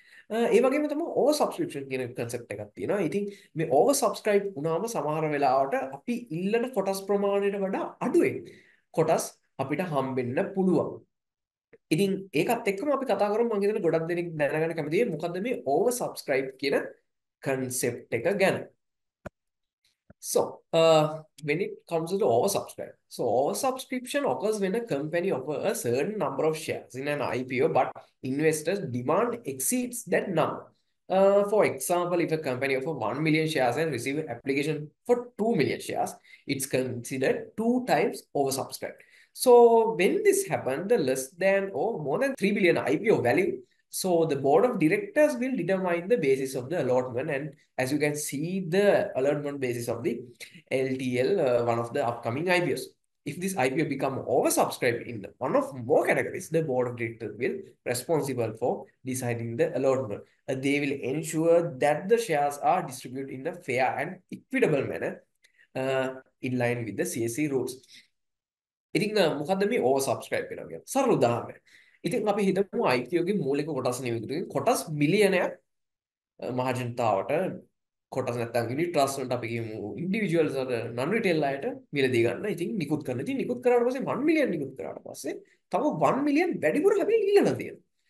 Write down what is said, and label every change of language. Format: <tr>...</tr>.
<si>ඒ වගේම තමයි over subscription කියන කන්සෙප්ට් එකක් තියෙනවා. ඉතින් මේ ඕවර් සබ්ස්ක්‍රයිබ් වුණාම සමහර වෙලාවට අපි ඉල්ලන කොටස් ප්‍රමාණයට වඩා අඩුවෙන් කොටස් අපිට හම්බෙන්න පුළුවන්. ඉතින් ඒකත් එක්කම අපි කතා කරමු මම හිතන්නේ ගොඩක් දෙනෙක් දැනගන්න කැමතියි මොකද්ද මේ ඕවර් සබ්ස්ක්‍රයිබ් කියන කන්සෙප්ට් එක ගැන.</si> <en>So, when it comes to the oversubscribe, so oversubscription occurs when a company offers a certain number of shares in an IPO, but investors' demand exceeds that number. For example, if a company offers 1 million shares and receives an application for 2 million shares, it's considered two times oversubscribed. So, when this happens, the less than or more than 3 billion IPO value. So the board of directors will determine the basis of the allotment, and as you can see, the allotment basis of the LTL, one of the upcoming IPOs. If this IPO become oversubscribed in one of more categories, the board of directors will responsible for deciding the allotment. They will ensure that the shares are distributed in a fair and equitable manner, in line with the CSE rules.</en> <si>ඉතින් මොකද්ද මේ oversubscribe කියන එක? සරල උදාහරණයක්. ඉතින් අපි හිතමු IPO ගේ මූලික කොටස් නිවිදුරින් කොටස් මිලියනයක් මහජනතාවට කොටස් නැත්නම් යුනිට් ට්‍රස්ට් වලට අපි කියමු ඉන්ඩිවිජුවල්ස් අතර නන් රිටේල් අයට මිලදී ගන්න. ඉතින් නිකුත් කරන. ඉතින් නිකුත් කරාට පස්සේ 1 මිලියන් නිකුත් කරාට පස්සේ තව 1 මිලියන් වැඩිපුර හැබැයි ඉල්ලන තියෙනවා.</si>